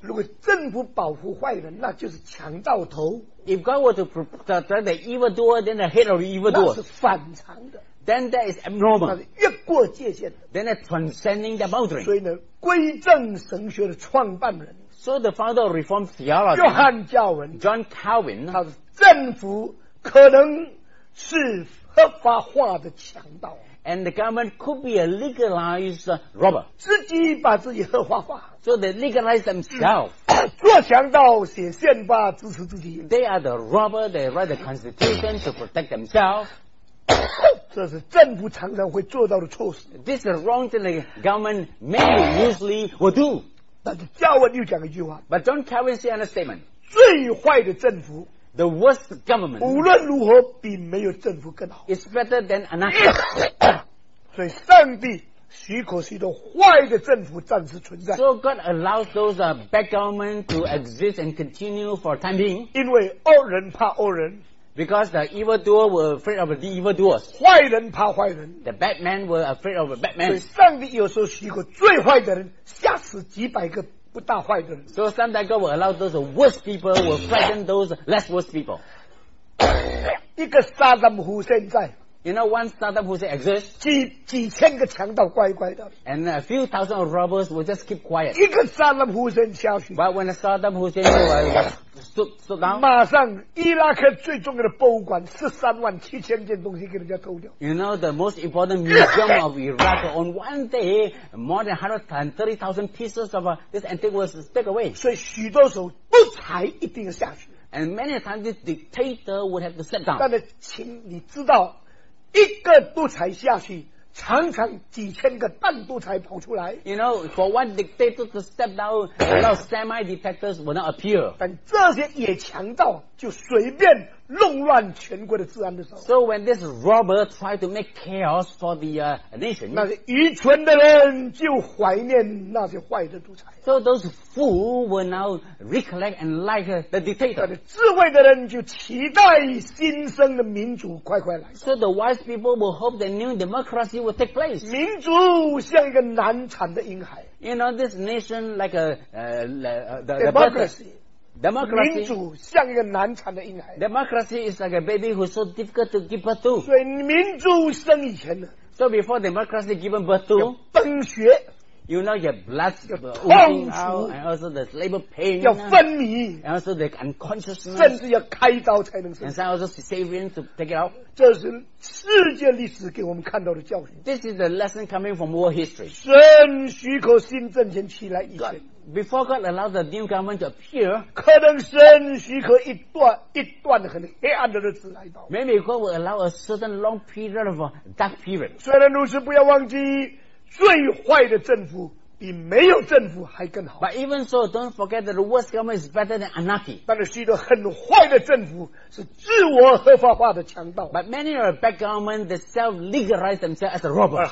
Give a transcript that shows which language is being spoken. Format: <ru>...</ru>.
<zh>如果政府保护坏人，那就是强盗头。</zh> <en>If God were to protect the evildoer, then the head of the evildoer.</en> <zh>那是反常的。</zh> <en>Then that is abnormal.</en> <zh>那是越过界限的。</zh> <en>Then that's transcending the boundary.</en> <zh>所以呢，归正神学的创办人。</zh> <en>So the founder of Reformed theology.</en> <zh>约翰·加尔文。</zh> <en>John Calvin.</en> <zh>他说，政府可能是合法化的强盗。</zh> <en>And the government could be a legalized robber.</en> <zh>自己把自己合法化。</zh> <en>So they legalize themselves.</en> <zh>做强盗写宪法支持自己。</zh> <en>They are the robber, they write the constitution to protect themselves.</en> <zh>这是政府常常会做到的措施。</zh> <en>This is wrong thing the government mainly usually will do.</en> <zh>但是加文又讲一句话。</zh> <en>But John Calvin said a statement.</en> <zh>最坏的政府。</zh> <en>The worst government.</en> <zh>无论如何比没有政府更好。</zh> <en>It's better than anarchy.</en> <zh>所以上帝许可许多坏的政府暂时存在。</zh> <en>So God allows those bad government to exist and continue for time being.</en> <zh>因为恶人怕恶人。</zh> <en>Because the evildoer were afraid of the evildoers.</en> <zh>坏人怕坏人。</zh> <en>The bad man were afraid of a bad man.</en> <zh>所以上帝有时候许可最坏的人吓死几百个。不大坏的人。</zh> <en>So sometimes God will allow those worst people, will frighten those less worst people.</en> <zh>一个沙达姆胡现在。</zh> <en>You know, one Saddam Hussein exists.</en> <zh>几千个强盗乖乖的。</zh> <en>And a few thousand of robbers will just keep quiet.</en> <zh>一个沙达姆胡现下去。</zh> <en>But when Saddam Hussein stood down.</en> <zh>马上伊拉克最重要的博物馆137,000件东西给人家偷掉。</zh> <en>You know, the most important museum of Iraq on one day, more than 130,000 pieces of this antique was taken away.</en> <zh>所以许多时候不才一定下去。</zh> <en>And many times this dictator would have to sit down.</en> <zh>但是请你知道一个独裁下去，常常几千个半独裁跑出来。</zh> <en>You know, for one dictator to step down, those semi-dictators will not appear.</en> <zh>但这些野强盗就随便弄乱全国的治安的时候。</zh> <en>So when this robber tried to make chaos for the nation,</en> <zh>那些愚蠢的人就怀念那些坏的独裁。</zh> <en>So those fools will now recollect and like the dictator.</en> <zh>智慧的人就期待新生的民主快快来。</zh> <en>So the wise people will hope that new democracy will take place.</en> <zh>民主像一个难产的婴孩。</zh> <en>You know, this nation like a democracy. Democracy,</en> <zh>民主像一个难产的婴孩。</zh> <en>Democracy is like a baby who's so difficult to give birth to.</en> <zh>所以民主生以前呢</zh> <en>？So before democracy given birth to,</en> <zh>要奔血</zh> <en>，you know your blood</en> <zh>要痛楚</zh> <en>，and also the labor pain</en> <zh>要昏迷</zh> <en>，and also the unconsciousness</en> <zh>甚至要开刀才能生。</zh> <en>And also cesarean to take it out.</en> <zh>这是世界历史给我们看到的教训。</zh> <en>This is the lesson coming from world history.</en> <zh>神许可新政权起来以前。</zh> <en>Before God allows the new government to appear,</en> <zh>可能神许可一段一段很黑暗的日子来到。</zh> <en>Maybe God will allow a certain long period of dark period.</en> <zh>虽然如此，不要忘记最坏的政府比没有政府还更好。</zh> <en>But even so, don't forget that the worst government is better than anarchy.</en> <zh>但是许多很坏的政府是自我合法化的强盗。</zh> <en>But many are bad government that self-legalize themselves as a robber.</en>